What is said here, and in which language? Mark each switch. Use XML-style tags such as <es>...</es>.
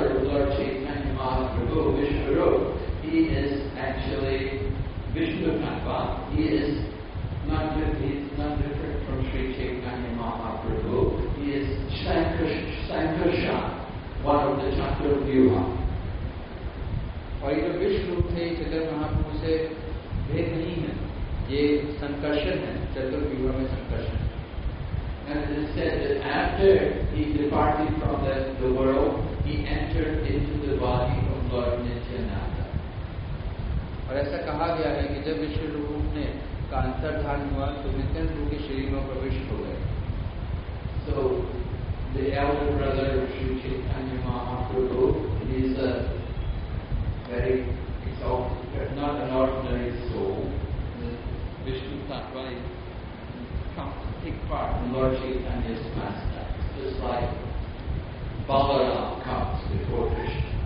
<en>Swarup, he is actually Vishnutattva. He is not different from Sri Chaitanya Mahaprabhu. He is Sankarsha, one of the Chaturvyuha.</en> <hi>और ये जो विश्व रूप थे चैतन्य महाप्रभु से भेद नहीं है, ये संकर्षण है, चतुर्व्यूह में Sankarshan.</hi> <en>And it is said that after he departed from the world, he entered into the body of Lord Nityananda.</en> <hi>और ऐसा कहा गया है कि जब विश्व रूप ने कांतर धारण हुआ तो नित्यानंद के शरीर में प्रवेश हो गए.</hi> <en>So the elder brother Sri Chaitanya Mahaprabhu is a very exalted, not an ordinary soul. Vishnu Tattva comes to take part in Lord Chaitanya's master. Just like Balaram comes before Krishna.</en>